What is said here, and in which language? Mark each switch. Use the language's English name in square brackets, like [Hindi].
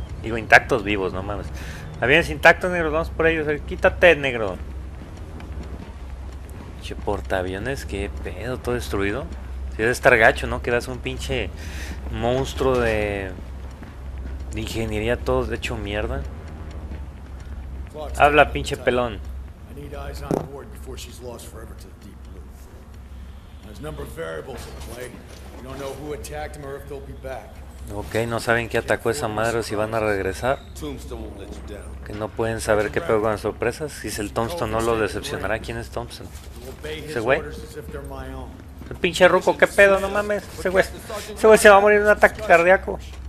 [Spanish] Digo, intactos vivos, no mames. Aviones intactos, negro, vamos por ellos. Quítate, negro. Che, portaaviones, qué pedo, todo destruido. Si es estar gacho, ¿no? Que eras un pinche monstruo de ingeniería, todos de hecho mierda. Habla, pinche pelón. [English] Need eyes on board before she's lost forever to the deep blue. There's a number of variables at play. We don't know who attacked them or if they'll be back. [Spanish] Okay, no saben qué atacó esa madre o si van a regresar. Que no pueden saber qué pegó con sorpresas. Si es el Thompson, no lo decepcionará. ¿Quién es Thompson? Ese güey. El pinche ruco, qué pedo, no mames. Ese güey se va a morir de un ataque cardíaco.